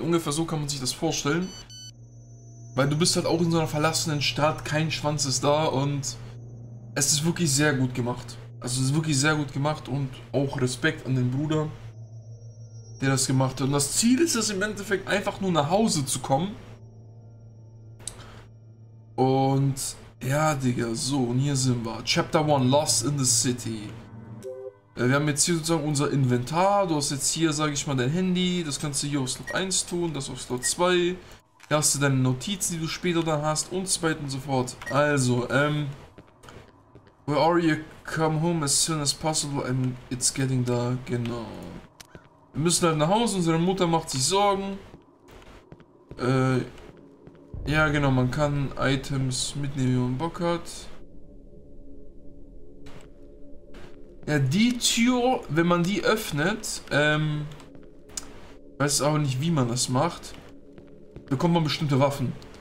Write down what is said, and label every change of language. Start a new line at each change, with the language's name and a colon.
German: Ungefähr so kann man sich das vorstellen. Weil du bist halt auch in so einer verlassenen Stadt, kein Schwanz ist da und es ist wirklich sehr gut gemacht. Also es ist wirklich sehr gut gemacht und auch Respekt an den Bruder, der das gemacht hat. Und das Ziel ist es im Endeffekt einfach nur nach Hause zu kommen. Und ja, Digga, so, und hier sind wir.
English: Chapter 1, Lost in the City.
German: Wir haben jetzt hier sozusagen unser Inventar. Du hast jetzt hier, sage ich mal, dein Handy. Das kannst du hier auf Slot 1 tun, das auf Slot 2. Hier hast du deine Notizen, die du später dann hast und so weiter und so fort.
English: Also, where are you? Come home as soon as possible and it's getting dark.
German: Genau. Wir müssen halt nach Hause. Unsere Mutter macht sich Sorgen. Ja, genau. Man kann Items mitnehmen, wie man Bock hat. Ja, die Tür, wenn man die öffnet, weiß auch nicht, wie man das macht, bekommt man bestimmte Waffen.